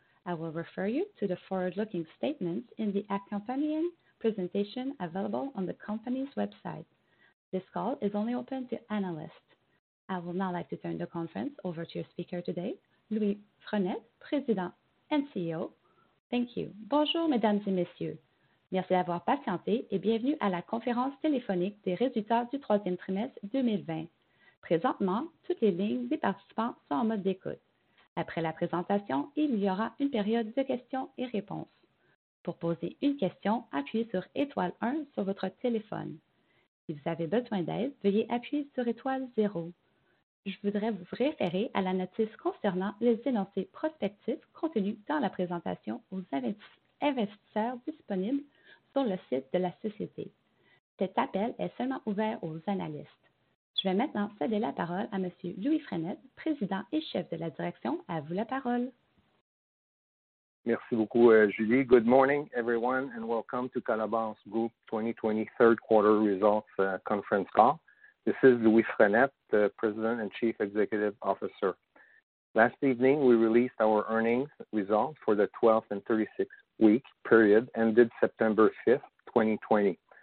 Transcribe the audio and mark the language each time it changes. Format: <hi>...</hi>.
<en>I will refer you to the forward-looking statements in the accompanying presentation available on the company's website. This call is only open to analysts. I will now like to turn the conference over to your speaker today, Louis Frenette, President and CEO. Thank you.</en> <fr>Bonjour, mesdames et messieurs. Merci d'avoir patienté et bienvenue à la conférence téléphonique des résultats du troisième trimestre 2020. Présentement, toutes les lignes des participants sont en mode d'écoute. Après la présentation, il y aura une période de questions et réponses. Pour poser une question, appuyez sur étoile 1 sur votre téléphone. Si vous avez besoin d'aide, veuillez appuyer sur étoile 0. Je voudrais vous référer à la notice concernant les énoncés prospectifs contenus dans la présentation aux investisseurs disponibles sur le site de la société. Cet appel est seulement ouvert aux analystes. Je vais maintenant céder la parole à M. Louis Frenette, président et chef de la direction. À vous la parole. Merci beaucoup, Julie.</fr> <en>Good morning, everyone, and welcome to Colabor Group 2020 third quarter results conference call. This is Louis Frenette, the president and chief executive officer. Last evening, we released our earnings results for the 12th and 36-week period ended September 5th, 2020.</en>